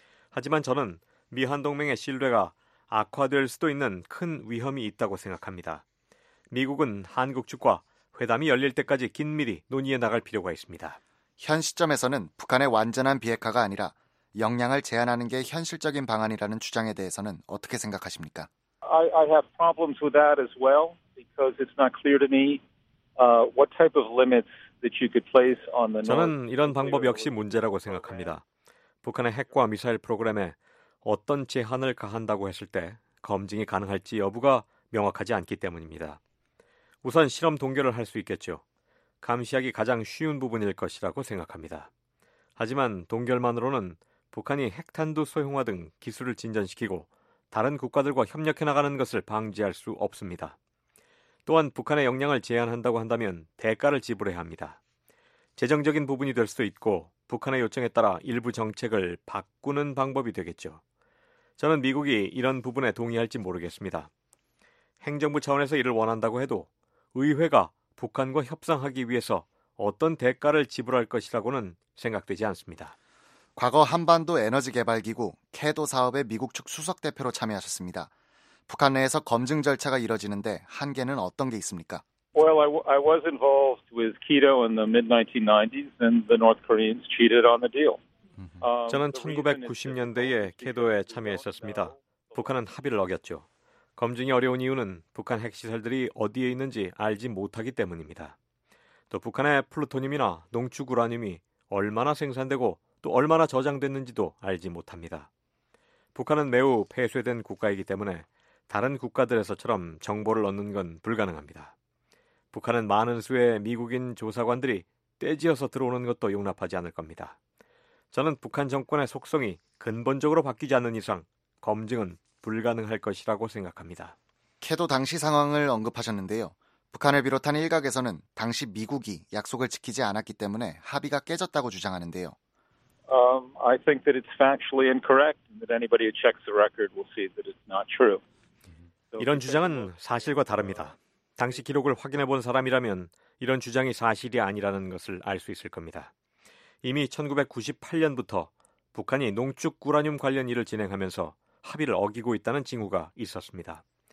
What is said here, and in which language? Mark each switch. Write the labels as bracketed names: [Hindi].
[Korean] 하지만 저는 미한동맹의 신뢰가 악화될 수도 있는 큰 위험이 있다고 생각합니다. 미국은 한국 측과 회담이 열릴 때까지 긴밀히 논의해 나갈 필요가 있습니다. 현 시점에서는 북한의 완전한 비핵화가 아니라 역량을 제한하는 게 현실적인 방안이라는 주장에 대해서는 어떻게 생각하십니까? [English] I have problems with that as well because it's not clear to me what type of limits that you could place on the [Korean] 저는 이런 방법 역시 문제라고 생각합니다. 북한의 핵과 미사일 프로그램에 어떤 제한을 가한다고 했을 때 검증이 가능할지 여부가 명확하지 않기 때문입니다. 우선 실험 동결을 할 수 있겠죠. 감시하기 가장 쉬운 부분일 것이라고 생각합니다. 하지만 동결만으로는 북한이 핵탄두 소형화 등 기술을 진전시키고 다른 국가들과 협력해 나가는 것을 방지할 수 없습니다. 또한 북한의 역량을 제한한다고 한다면 대가를 지불해야 합니다. 재정적인 부분이 될 수도 있고 북한의 요청에 따라 일부 정책을 바꾸는 방법이 되겠죠. 저는 미국이 이런 부분에 동의할지 모르겠습니다. 행정부 차원에서 이를 원한다고 해도 의회가 북한과 협상하기 위해서 어떤 대가를 지불할 것이라고는 생각되지 않습니다. 과거 한반도 에너지개발기구 캐도 사업의 미국 측 수석대표로 참여하셨습니다. 북한 내에서 검증 절차가 이뤄지는데 한계는 어떤 게 있습니까? [English] Well, I was involved with KEDO in the mid-1990s and the North Koreans cheated on the deal. [Korean] 저는 1990년대에 KEDO에 참여했었습니다. 북한은 합의를 어겼죠. 검증이 어려운 이유는 북한 핵시설들이 어디에 있는지 알지 못하기 때문입니다. 또 북한의 플루토늄이나 농축 우라늄이 얼마나 생산되고 또 얼마나 저장됐는지도 알지 못합니다. 북한은 매우 폐쇄된 국가이기 때문에 다른 국가들에서처럼 정보를 얻는 건 불가능합니다. 북한은 많은 수의 미국인 조사관들이 떼지어서 들어오는 것도 용납하지 않을 겁니다. 저는 북한 정권의 속성이 근본적으로 바뀌지 않는 이상 검증은 불가능할 것이라고 생각합니다. 캐도 당시 상황을 언급하셨는데요. 북한을 비롯한 일각에서는 당시 미국이 약속을 지키지 않았기 때문에 합의가 깨졌다고 주장하는데요. [English] I think that it's factually incorrect and that anybody who checks the record will see that it's not true. [Korean] 이런 주장은 사실과 다릅니다. 당시 기록을 확인해 본 사람이라면 이런 주장이 사실이 아니라는 것을 알 수 있을 겁니다. 이미 1998년부터 북한이 농축 우라늄 관련 일을 진행하면서 합의를 어기고 있다는 징후가 있었습니다.